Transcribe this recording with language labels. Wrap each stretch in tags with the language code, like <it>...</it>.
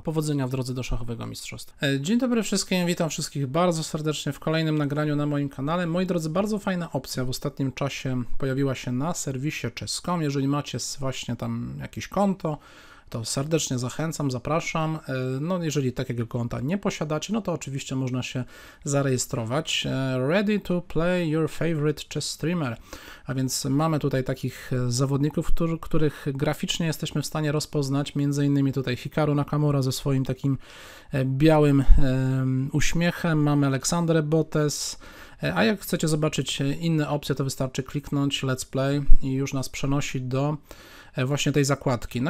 <pl>Powodzenia w drodze do szachowego mistrzostwa. Dzień dobry wszystkim, witam wszystkich bardzo serdecznie w kolejnym nagraniu na moim kanale. Moi drodzy, bardzo fajna opcja w ostatnim czasie pojawiła się na serwisie czes.com. Jeżeli macie właśnie tam jakieś konto, to serdecznie zachęcam, zapraszam. No, jeżeli takiego konta nie posiadacie, no to oczywiście można się zarejestrować.</pl> <en>Ready to play your favorite chess streamer.</en> <pl>A więc mamy tutaj takich zawodników, których graficznie jesteśmy w stanie rozpoznać, między innymi tutaj Hikaru Nakamura ze swoim takim białym uśmiechem, mamy Aleksandrę Botes. A jak chcecie zobaczyć inne opcje, to wystarczy kliknąć Let's Play i już nas przenosi do właśnie tej zakładki.</pl>